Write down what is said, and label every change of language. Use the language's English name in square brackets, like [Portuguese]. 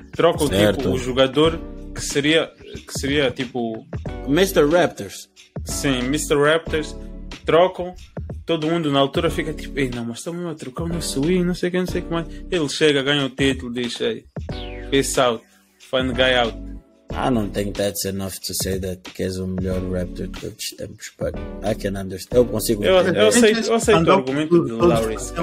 [Portuguese] Troca o tipo o jogador que seria. Que seria tipo. [English] Mr. Raptors. [Portuguese] Sim, Mr. Raptors. Trocam. Todo mundo na altura fica tipo, ei, não, mas estamos a trocar o nosso Wii, não sei o que, não sei o que mais. Ele chega, ganha o título, diz, ei, [English] peace out, find the guy out. I don't think that's enough to say that [Portuguese] que és o melhor Raptor de todos os tempos, [English] but I can understand. [Portuguese] Eu consigo entender. Eu aceito o argumento do Lowry.